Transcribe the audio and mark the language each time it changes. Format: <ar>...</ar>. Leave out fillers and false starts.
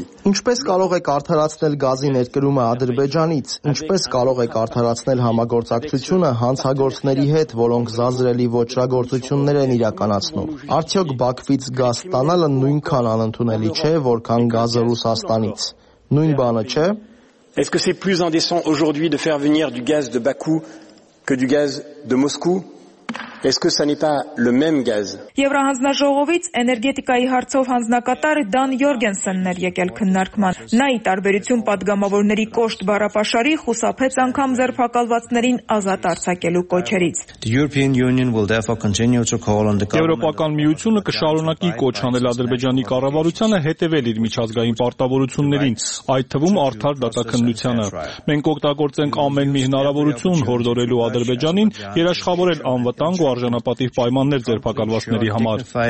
<hy>Ինչպես կարող եք արդարացնել գազի ներկրումը Ադրբեջանից, ինչպես կարող եք արդարացնել համագործակցությունը հանցագործների հետ, որոնք զազրելի ոչռագործություններ են իրականացնում։ Արդյոք Բաքվից գազ ստանալը նույնքան անընդունելի չէ, որքան գազը Ռուսաստանից։ Նույն բանը չէ։</hy> <fr>Est-ce que c'est plus indécent aujourd'hui de faire venir du gaz de Bakou que du gaz de Moscou? Est-ce que ça n'est pas le même gaz?</fr> <hy>Եվրահանձնաժողովից էներգետիկայի հարցով հանձնակատար Դան Յորգենսենն էր եկել քննարկման։ Նա ի տարբերություն падգամավորների կոշտ բարապաշարի խուսափեց անգամ ձերբակալվածներին ազատ արձակելու կոչերից։ Եվրոպական միությունը կշարունակի կոչ անել Ադրբեջանի կառավարությանը հետևել իր միջազգային պարտավորություններին, այդ թվում արդար դատաքննությանը։ Մենք օգտագործենք ամեն մի հնարավորություն հորդորելու Ադրբեջանին երաշխավորել անվտանգ արժանապատիվ պայմաններ ձերբակալվածների համար։</hy>